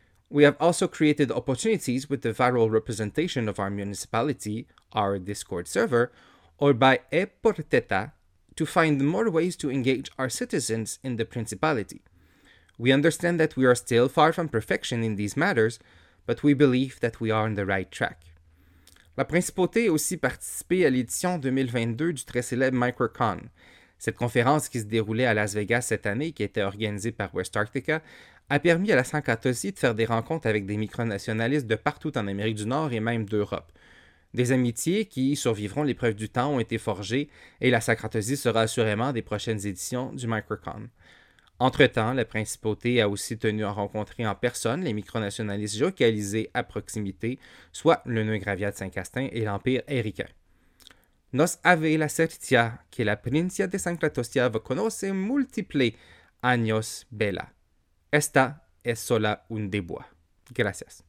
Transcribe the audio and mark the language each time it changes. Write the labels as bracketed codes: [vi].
[en] We have also created opportunities with the viral representation of our municipality, our Discord server, or by ePorteta to find more ways to engage our citizens in the principality. We understand that we are still far from perfection in these matters, but we believe that we are on the right track. [fr] La Principauté a aussi participé à l'édition 2022 du très célèbre MicroCon. Cette conférence qui se déroulait à Las Vegas cette année, qui était organisée par West Arctica, a permis à la Sancratosie de faire des rencontres avec des micronationalistes de partout en Amérique du Nord et même d'Europe. Des amitiés qui survivront l'épreuve du temps ont été forgées et la Sancratosie sera assurément des prochaines éditions du MicroCon. Entre-temps, la Principauté a aussi tenu à rencontrer en personne les micronationalistes géocalisés à proximité, soit le Nœud Gravia de Saint-Castin et l'Empire Éricain. Nos ave la certia que la Princia de Sancratosia va conocer multiple años bella. Esta es sola un debois. Gracias.